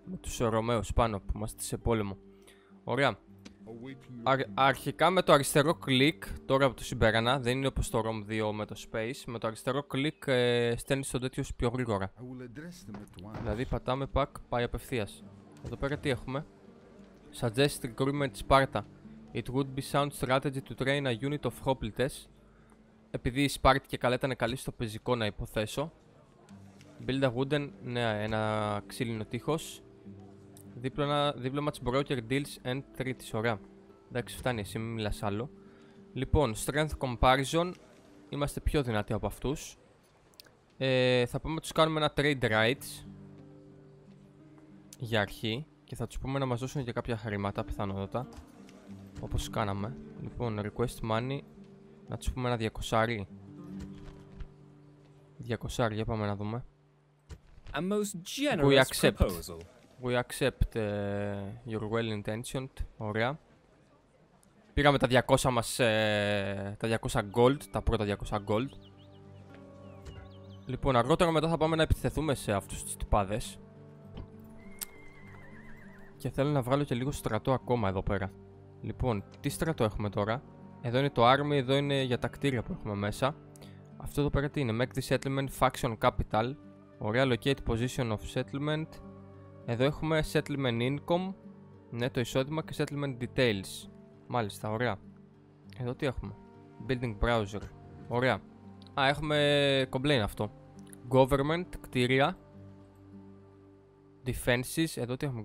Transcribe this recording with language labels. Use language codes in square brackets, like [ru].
[el] Με τους Ρωμαίους πάνω που είμαστε σε πόλεμο. Ωραία. Αρχικά με το αριστερό κλικ, τώρα που το συμπέρανα, δεν είναι όπως το ROM 2 με το Space. Με το αριστερό κλικ στέλνεις τον τέτοιο πιο γρήγορα. Δηλαδή πατάμε pack, πάει απευθείας. Εδώ πέρα τι έχουμε? [en] Suggest recruitment Sparta. It would be sound strategy to train a unit of hoplites. [el] Επειδή η Sparta και καλά ήταν καλή στο πεζικό, να υποθέσω. [en] Build a wooden, [el] ναι, ένα ξύλινο τείχος. [en] Diplomats, broker, deals and treaties. [el] Ωραία. Εντάξει, φτάνει, εσύ μην μιλάς άλλο. [en] Λοιπόν, strength comparison. [el] Είμαστε πιο δυνατοί από αυτούς. Θα πούμε να τους κάνουμε ένα trade rights. Για αρχή. Και θα τους πούμε να μας δώσουν και κάποια χρήματα, πιθανότατα. Όπως κάναμε. [en] Λοιπόν, request money. [el] Να τους πούμε ένα 200. 200, για πάμε να δούμε. [en] A most generous we accept proposal. We accept your well intentioned. [el] Ωραία. Πήραμε τα 200 μας, τα 200 gold, τα πρώτα 200 gold. Λοιπόν, αργότερα μετά θα πάμε να επιθεθούμε σε αυτούς τους τυπάδες. Και θέλω να βγάλω και λίγο στρατό ακόμα εδώ πέρα. Λοιπόν, τι στρατό έχουμε τώρα? Εδώ είναι το army, εδώ είναι για τα κτίρια που έχουμε μέσα. Αυτό εδώ πέρα τι είναι? [en] Make the settlement faction capital. Ωραία, locate position of settlement. [el] Εδώ έχουμε settlement income, ναι, το εισόδημα, και settlement details. Μάλιστα, ωραία. Εδώ τι έχουμε? Building browser. Ωραία. Α, έχουμε complaint αυτό. Government, κτίρια. Defenses, εδώ τι έχουμε?